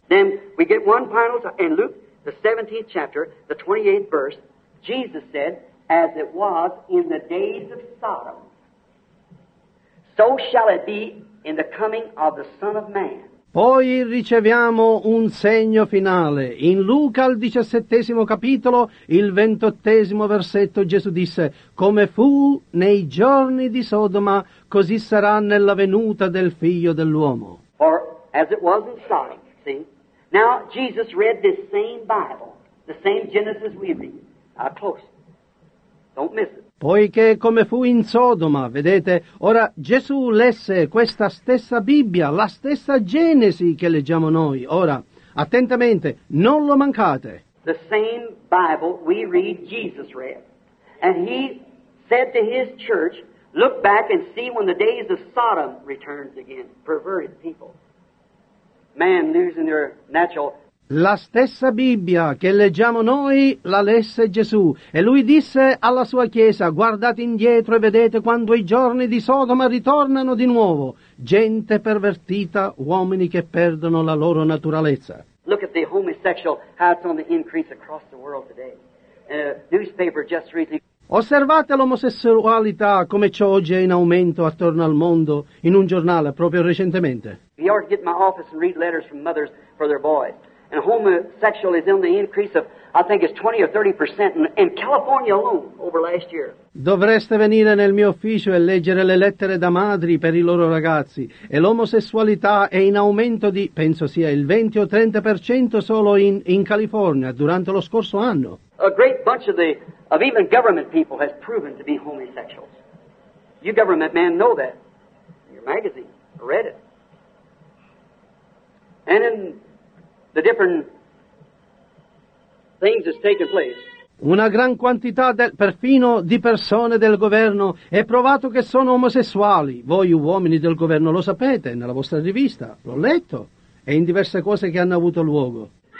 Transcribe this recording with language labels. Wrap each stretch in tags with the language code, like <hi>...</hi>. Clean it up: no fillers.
<en>Then we get one final in Luke, the 17th chapter, the 28th verse. Jesus said, as it was in the days of Sodom, so shall it be in the coming of the Son of Man.</en> <it>Poi riceviamo un segno finale. In Luca, al 17° capitolo, il 28° versetto, Gesù disse, come fu nei giorni di Sodoma, così sarà nella venuta del Figlio dell'uomo.</it> <en>Or, as it was in Sodom, see? Now, Jesus read this same Bible, the same Genesis we read. Close. Don't miss it.</en> <it>Poiché come fu in Sodoma, vedete, ora Gesù lesse questa stessa Bibbia, la stessa Genesi che leggiamo noi. Ora, attentamente, non lo mancate.</it> <en>The same Bible we read, Jesus read. And he said to his church, look back and see when the days of Sodom returns again, perverted people. Man losing their natural...</en> <it>La stessa Bibbia che leggiamo noi la lesse Gesù, e lui disse alla sua chiesa, guardate indietro e vedete quando i giorni di Sodoma ritornano di nuovo, gente pervertita, uomini che perdono la loro naturalezza.</it> <en>Look at the homosexual, how it's on the increase across the world today. Newspaper just recently...</en> <it>Osservate l'omosessualità come ciò oggi è in aumento attorno al mondo, in un giornale proprio recentemente.</it> <en>You ought to get in my office and read letters from mothers for their boys. And homosexual is in the increase of, I think it's 20% or 30% in California alone over last year.</en> <it>Dovreste venire nel mio ufficio e leggere le lettere da madri per i loro ragazzi. E l'omosessualità è in aumento di, penso sia il 20% or 30% solo in California durante lo scorso anno.</it> <en>A great bunch of even government people has proven to be homosexuals. You government men know that. Your magazine, I read it. And in... the different things that's taken place.</en> <it>Una gran quantità perfino di persone del governo è provato che sono omosessuali. Voi uomini del governo lo sapete nella vostra rivista, l'ho letto, e in diverse cose che hanno avuto luogo.</it>